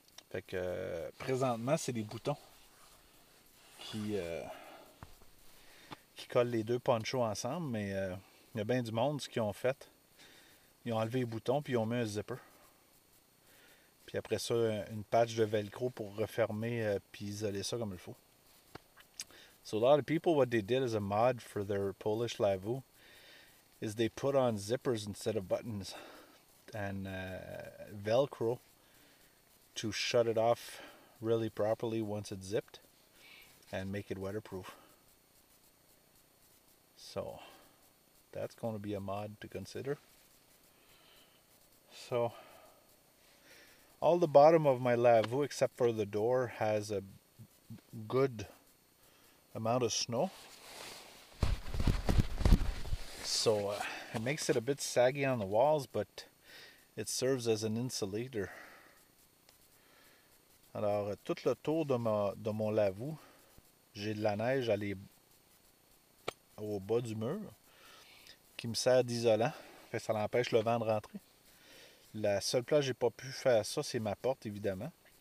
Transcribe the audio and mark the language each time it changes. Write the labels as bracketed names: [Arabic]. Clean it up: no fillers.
[French] Fait que présentement, c'est des boutons qui collent les deux ponchos ensemble. Mais il y a bien du monde, ce qu'ils ont fait. Ils ont enlevé les boutons, puis ils ont mis un zipper. Puis après ça, une patch de velcro pour refermer puis isoler ça comme il faut. [English] So a lot of people, what they did as a mod for their Polish lavvu is they put on zippers instead of buttons and velcro to shut it off really properly once it's zipped and make it waterproof. So that's going to be a mod to consider. So all the bottom of my lavvu except for the door has a good amount of snow. So it makes it a bit saggy on the walls, but it serves as an insulator. [French] Alors, tout le tour de mon lavvu, j'ai de la neige au bas du mur qui me sert d'isolant. Fait ça l'empêche le vent de rentrer. La seule place que j'ai pas pu faire ça, c'est ma porte, évidemment.